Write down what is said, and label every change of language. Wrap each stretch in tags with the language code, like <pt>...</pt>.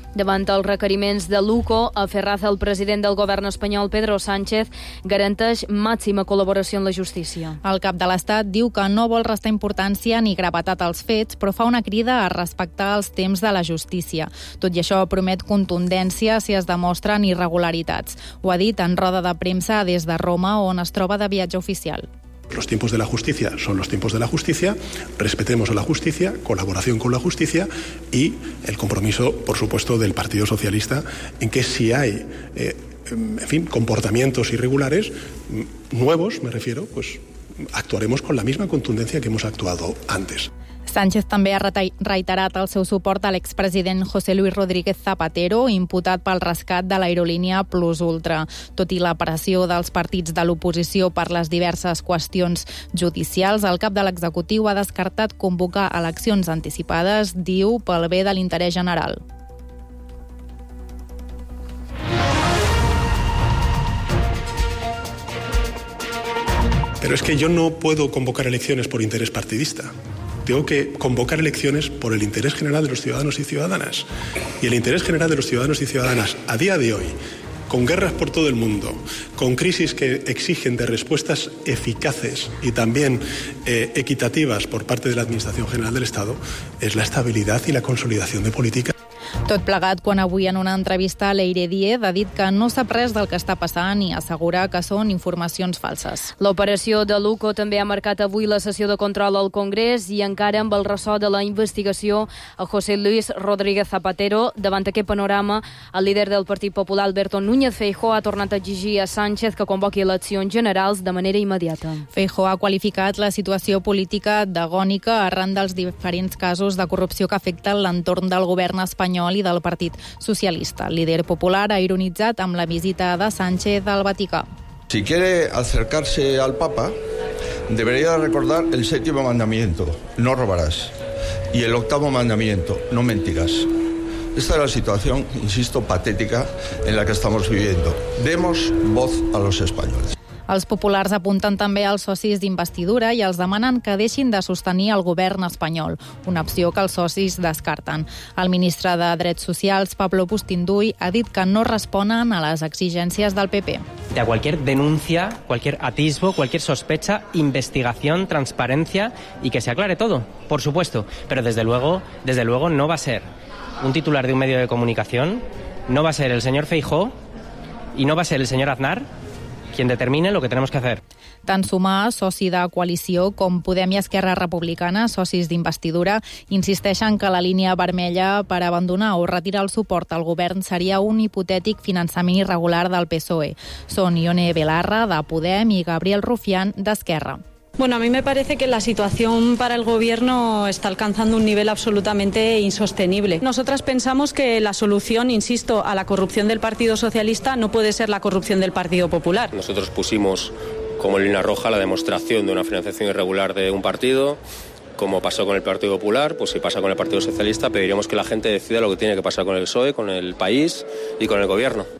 <ca>Davant els requeriments de l'UCO, a Ferraz, el president del govern espanyol, Pedro Sánchez, garanteix màxima col·laboració en la justícia. El cap de l'Estat diu que no vol restar importància ni gravetat als fets, però fa una crida a respectar els temps de la justícia. Tot i això, promet contundència si es demostren irregularitats. Ho ha dit en roda de premsa des de Roma, on es troba de viatge oficial.</ca> <es>Los tiempos de la justicia son los tiempos de la justicia, respetemos la justicia, colaboración con la justicia y el compromiso, por supuesto, del Partido Socialista en que si hay, comportamientos irregulares, nuevos me refiero, pues actuaremos con la misma contundencia que hemos actuado antes.</es> <ca>Sánchez també ha reiterat el seu suport a l'expresident José Luis Rodríguez Zapatero, imputat pel rescat de l'aerolínia Plus Ultra. Tot i la pressió dels partits de l'oposició per les diverses qüestions judicials, el cap de l'executiu ha descartat convocar eleccions anticipades, diu, pel bé de l'interès general.</ca> <es>Pero es que yo no puedo convocar elecciones por interés partidista. Tengo que convocar elecciones por el interés general de los ciudadanos y ciudadanas. Y el interés general de los ciudadanos y ciudadanas, a día de hoy, con guerras por todo el mundo, con crisis que exigen de respuestas eficaces y también equitativas por parte de la Administración General del Estado, es la estabilidad y la consolidación de políticas.</es> <ca>Tot plegat quan avui en una entrevista Leire Díez ha dit que no sap res del que està passant i assegura que són informacions falses. L'operació de Luco també ha marcat avui la sessió de control al Congrés i encara amb el ressò de la investigació a José Luis Rodríguez Zapatero. Davant d'aquest panorama, el líder del Partit Popular, Alberto Núñez Feijóo, ha tornat a exigir a Sánchez que convoqui eleccions generals de manera immediata. Feijóo ha qualificat la situació política d'agònica arran dels diferents casos de corrupció que afecten l'entorn del govern espanyol i del Partit Socialista. El líder popular ha ironitzat amb la visita de Sánchez al Vaticà.</ca> <es>Si quiere acercarse al Papa, debería recordar el séptimo mandamiento, no robarás, y el octavo mandamiento, no mentirás. Esta es la situación, insisto, patética en la que estamos viviendo. Demos voz a los españoles.</es> <ca>Els populars apunten també als socis d'investidura i els demanen que deixin de sostenir el govern espanyol, una opció que els socis descarten. El ministre de Drets Socials, Pablo Pustinduy, ha dit que no responen a les exigències del PP.</ca> <es>De cualquier denuncia, cualquier atisbo, cualquier sospecha, investigación, transparencia y que se aclare todo, por supuesto. Pero desde luego no va a ser un titular de un medio de comunicación, no va a ser el señor Feijóo y no va a ser el señor Aznar quien determine lo que tenemos que hacer.</es> <ca>Tant Sumar, soci de coalició, com Podem i Esquerra Republicana, socis d'investidura, insisteixen que la línia vermella per abandonar o retirar el suport al govern seria un hipotètic finançament irregular del PSOE. Són Ione Belarra, de Podem, i Gabriel Rufián, d'Esquerra.</ca> <es>Bueno, a mí me parece que la situación para el gobierno está alcanzando un nivel absolutamente insostenible. Nosotras pensamos que la solución, insisto, a la corrupción del Partido Socialista no puede ser la corrupción del Partido Popular. Nosotros pusimos como línea roja la demostración de una financiación irregular de un partido, como pasó con el Partido Popular, pues si pasa con el Partido Socialista, pediríamos que la gente decida lo que tiene que pasar con el PSOE, con el país y con el gobierno.</es>